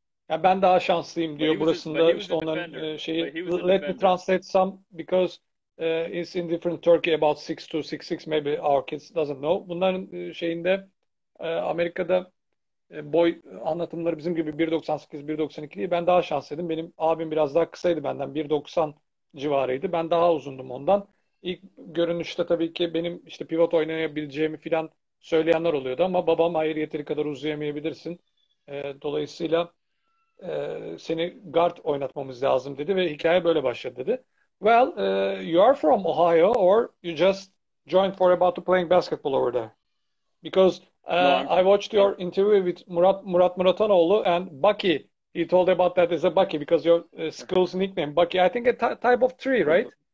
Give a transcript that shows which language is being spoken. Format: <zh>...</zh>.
<tr>Ya ben daha şanslıyım diyor burasında işte onların şeyi.</tr> <en>Let me translate some because it's in different Turkey about 6'2", 6'6", maybe our kids doesn't know.</en> <tr>Bunların şeyinde Amerika'da boy anlatımları bizim gibi 1.98, 1.92 diye. Ben daha şanslıydım. Benim abim biraz daha kısaydı benden. 1.90 civarıydı. Ben daha uzundum ondan. İlk görünüşte tabii ki benim işte pivot oynayabileceğimi falan söyleyenler oluyordu ama babam hayır yeteri kadar uzayamayabilirsin. Dolayısıyla seni guard oynatmamız lazım dedi ve hikaye böyle başladı dedi.</tr> <en>Well, you are from Ohio or you just joined for about to playing basketball over there? Because I watched your interview with Murat Muratanoğlu and Bucky. He told about that as a Bucky because your school's nickname Bucky. I think a type of tree, right?</en>